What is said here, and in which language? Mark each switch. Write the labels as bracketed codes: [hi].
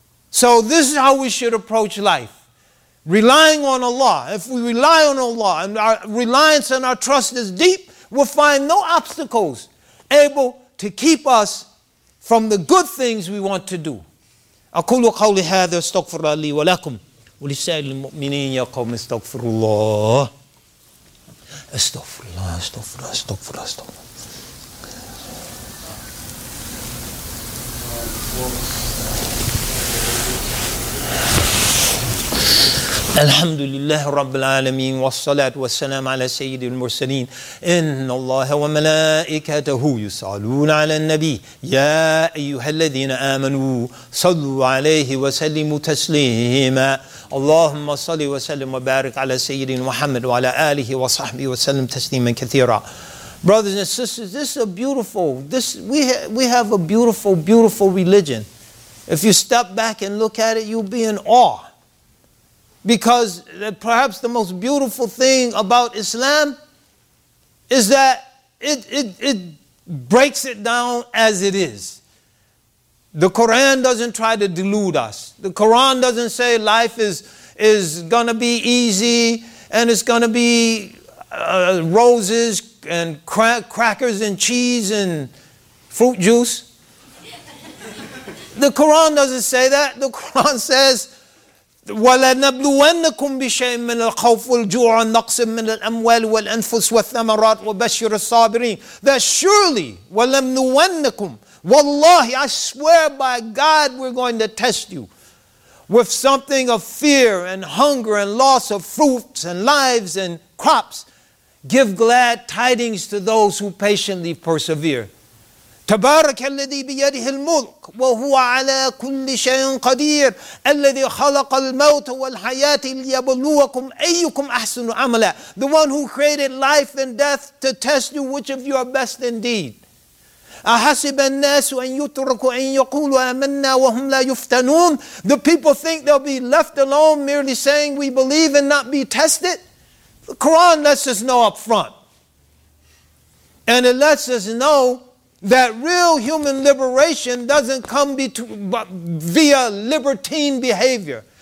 [en] So this is how we should approach life. Relying on Allah. If we rely on Allah and our reliance and our trust is deep, we'll find no obstacles able to keep us from the good things we want to do. [ar] أقول قولي هذا استغفر لي ولكم ولسائر المؤمنين يا قوم استغفر الله استغفر الله استغفر الله استغفر الله استغفر الله. الحمد لله رب العالمين والصلاة والسلام على سيد المرسلين إن الله وملائكته يصلون على النبي يا أيها الذين آمنوا صلوا عليه وسلموا تسليما اللهم صل وسلم وبارك على سيد محمد وعلى آله وصحبه وسلم تسليما كثيرا. [en] Brothers and sisters, this is a beautiful, we have a beautiful, beautiful religion. If you step back and look at it, you'll be in awe. Because perhaps the most beautiful thing about Islam is that it breaks it down as it is. The Quran doesn't try to delude us. The Quran doesn't say life is going to be easy and it's going to be roses and crackers and cheese and fruit juice. The Quran doesn't say that. The Quran says, [ar] وَلَنَبْلُوَنَّكُمْ بِشَيْءٍ مِّنَ الْخَوْفِ وَالْجُوعِ وَالنَّقْصِ مِّنَ الْأَمْوَالِ وَالْأَنفُسِ وَالثَّمَرَاتِ وَبَشِّرِ الصَّابِرِينَ. [en] That surely, وَلَنَبْلُوَنَّكُمْ, wallahi, I swear by God, we're going to test you with something of fear and hunger and loss of fruits and lives and crops. Give glad tidings to those who patiently persevere. [ar] تبارك الذي بيده الملك وهو على كل شيء قدير الذي خلق الموت والحياة ليبلوكم أيكم أحسن عملا. [en] The one who created life and death to test you which of you are best indeed. [ar] أحسب الناس أن يتركوا أن يقولوا آمنا وهم لا يفتنون. [en] The people think they'll be left alone merely saying we believe and not be tested. The Quran lets us know up front. And it lets us know that real human liberation doesn't come via libertine behavior.